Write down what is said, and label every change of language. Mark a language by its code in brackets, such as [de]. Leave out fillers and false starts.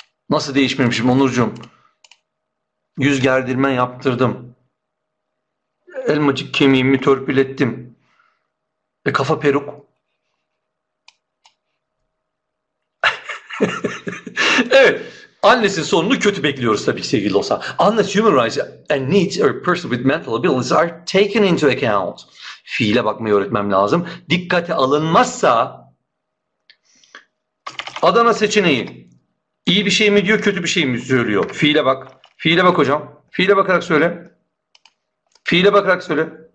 [tr] Nasıl değişmemişim Onurcuğum? Yüz gerdirmen yaptırdım. Elmacık kemiğimi törpülettim. Ve kafa peruk. Evet. Annesinin sonunu kötü bekliyoruz tabii ki sevgili dostlar. [en] Unless human rights and needs of a person with mental abilities are taken into account. [tr] Fiile bakmayı öğretmem lazım. Dikkate alınmazsa Adana seçeneği iyi bir şey mi diyor, kötü bir şey mi söylüyor? Fiile bak. Fiile bak hocam. Fiile bakarak söyle. Fiile bakarak söyle.